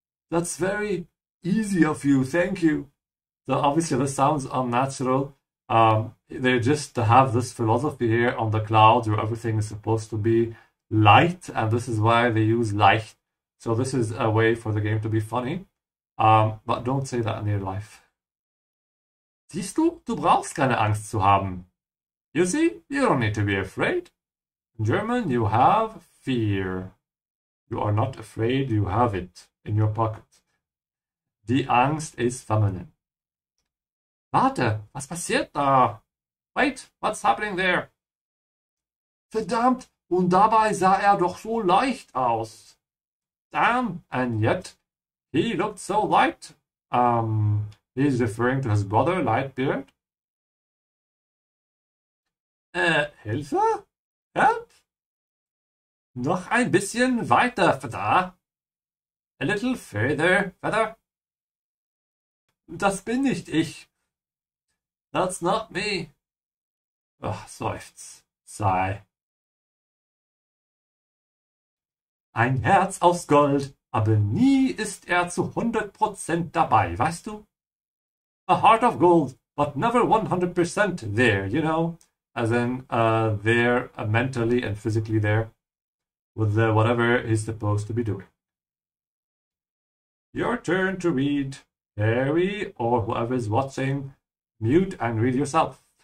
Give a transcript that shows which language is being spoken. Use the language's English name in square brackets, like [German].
[English] That's very easy of you. Thank you. So obviously this sounds unnatural. They just have this philosophy here on the clouds where everything is supposed to be light. And this is why they use leicht. So this is a way for the game to be funny. But don't say that in your life. [German] Siehst du, du brauchst keine Angst zu haben. [English] You see, you don't need to be afraid. In German, you have fear. You are not afraid, you have it in your pocket. [German] Die Angst ist feminine. Warte, was passiert da? [English] Wait, what's happening there? [German] Verdammt, und dabei sah er doch so leicht aus. [English] Damn, and yet he looked so light. He is referring to his brother, Lightbeard. [German] Hilfe? [English] Help? [German] Noch ein bisschen weiter, Feather. [English] A little further, Feather. [German] Das bin nicht ich. [English] That's not me. [German] Ach, seufz. [English] Sigh. [German] Ein Herz aus Gold, aber nie ist zu 100% dabei, weißt du? [English] A heart of gold, but never 100% there, you know? As in, there, mentally and physically there. With the whatever he's supposed to be doing. Your turn to read. Harry, or whoever is watching, mute and read yourself.